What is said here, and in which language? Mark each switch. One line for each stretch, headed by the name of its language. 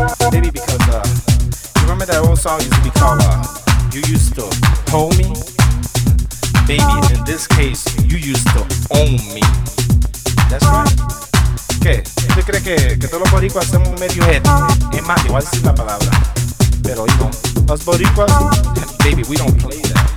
English: Baby, because you remember that old song used to be called you used to hold me? Baby, in this case, you used to own me. That's right. ¿Qué?
Spanish: ¿Tú crees que todos los boricuas somos medio head? Es más, te voy a decir la palabra. Pero oigo, los boricuas,
English: baby, we don't play that.